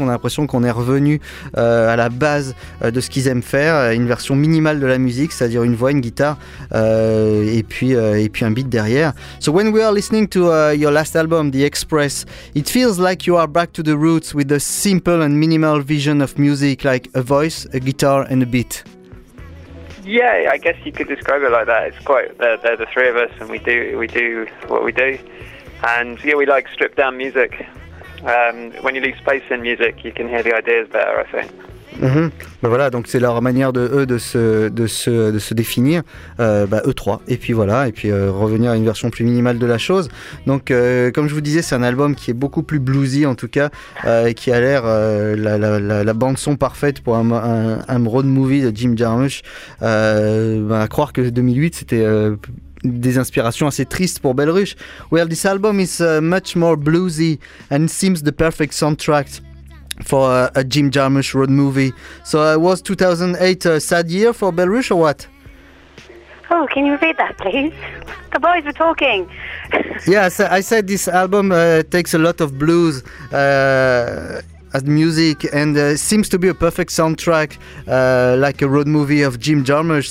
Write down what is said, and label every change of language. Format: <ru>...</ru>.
<fr>On a l'impression qu'on est revenu à la base de ce qu'ils aiment faire, une version minimale de la musique, c'est-à-dire une voix, une guitare et puis un beat derrière.</fr> <en>So when we are listening to your last album The Express, it feels like you are back to the roots with a simple and minimal vision of music, like a voice, a guitar and a beat. Yeah, I guess you could describe it like that. It's quite, they're the three of us and we do what we do. And yeah, we like stripped down music. When you leave space in music, you can hear the ideas better, I think. Mm-hmm.</en> <fr>Ben voilà, donc c'est leur manière de eux de se définir, eux trois, et puis voilà, et puis revenir à une version plus minimale de la chose. Donc comme je vous disais, c'est un album qui est beaucoup plus bluesy en tout cas, et qui a l'air la bande son parfaite pour un road movie de Jim Jarmusch. À croire que 2008 c'était des inspirations assez tristes pour Belle Ruche.</fr> <en>Well, this album is much more bluesy and seems the perfect soundtrack for a Jim Jarmusch road movie. So was 2008 a sad year for Belle Ruche or what? Oh, can you repeat that, please? The boys were talking. Yes, yeah, so I said this album takes a lot of blues as music and seems to be a perfect soundtrack, like a road movie of Jim Jarmusch.</en>